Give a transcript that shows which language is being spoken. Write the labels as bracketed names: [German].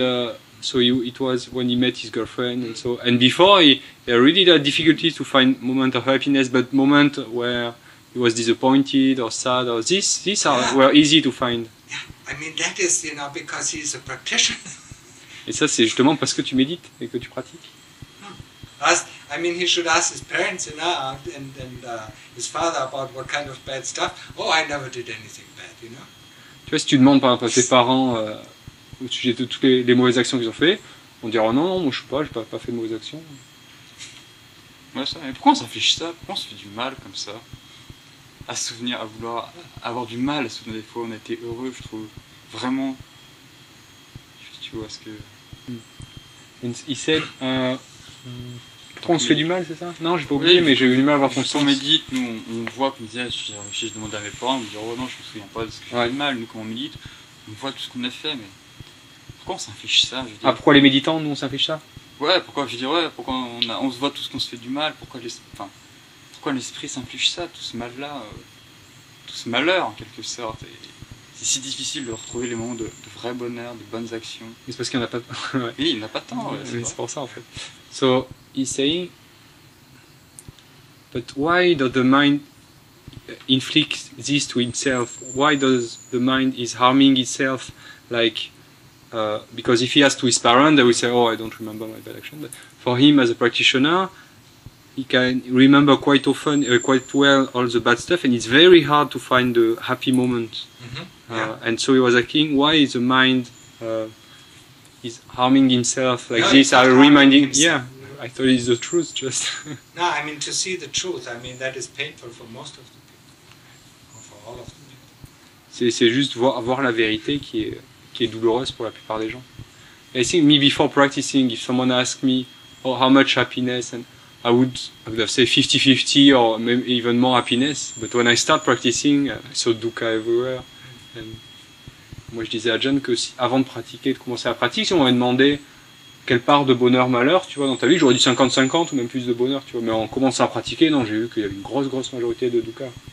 [English] It was when he met his girlfriend, and so and before he really had difficulties to find moment of happiness, but moment where he was disappointed or sad or these are were easy to find. Yeah, I mean that is, you know, because he is a practitioner. [French] Et ça c'est justement parce que tu médites et que tu pratiques. [English] I mean, he should ask his parents, you know, and his father about what kind of bad stuff. Oh, I never did anything bad, you know. [French] Tu vois, si tu demandes par exemple à tes parents au sujet de toutes les mauvaises actions qu'ils ont fait, on dira oh, non, moi je suis pas, j'ai pas fait de mauvaises actions. Ouais, ça. Mais pourquoi on s'affiche ça? Pourquoi on se fait du mal comme ça? À se souvenir, à vouloir avoir du mal à se souvenir des fois où on a été heureux, je trouve vraiment. Je sais, tu vois ce que. [English] Il said. [French] Pourquoi on se fait du mal, c'est ça? Non, j'ai pas oublié, mais j'ai eu du mal à avoir conscience. Quand on médite, nous, on voit qu'on disait, si je demande à mes parents, on me dit, oh non, je me souviens pas de ce que j'ai fait de mal. Nous, quand on médite, on voit tout ce qu'on a fait, mais pourquoi on s'inflige ça, je veux dire? Ah, pourquoi les méditants, nous, on s'inflige ça? Ouais, pourquoi, je veux dire, ouais, pourquoi on se voit tout ce qu'on se fait du mal, pourquoi l'esprit s'inflige ça, tout ce mal-là, tout ce malheur, en quelque sorte. Et c'est si difficile de retrouver les moments de vrai bonheur, de bonnes actions. Mais c'est parce qu'il n'y en a pas de temps. Oui, il n'y en a pas de temps. Ouais, c'est pour ça, en fait. [English] So, he's saying, but why does the mind inflict this to himself? Why does the mind is harming itself? Like, because if he asks to his parents, they will say, oh, I don't remember my bad action. But for him as a practitioner, he can remember quite often, quite well, all the bad stuff, and it's very hard to find the happy moment. And so he was asking, why is the mind is harming himself like this? Are reminding? Yeah, I thought it's the truth. Just no, I mean to see the truth. I mean that is painful for most of the people, or for all of the people. [French] C'est juste voir la vérité qui est douloureuse pour la plupart des gens. [English] I think me before practicing, if someone asks me, oh, how much happiness and I would have said 50-50 or maybe even more happiness. But when I start practicing, I saw dukkha everywhere. [French] And moi, je disais à Ajahn que si, avant de pratiquer, de commencer à pratiquer, si on m'avait demandé quelle part de bonheur, malheur, tu vois, dans ta vie, j'aurais dit 50-50 ou même plus de bonheur, tu vois. Mais en commençant à pratiquer, non, j'ai vu qu'il y avait une grosse, grosse majorité de dukkha.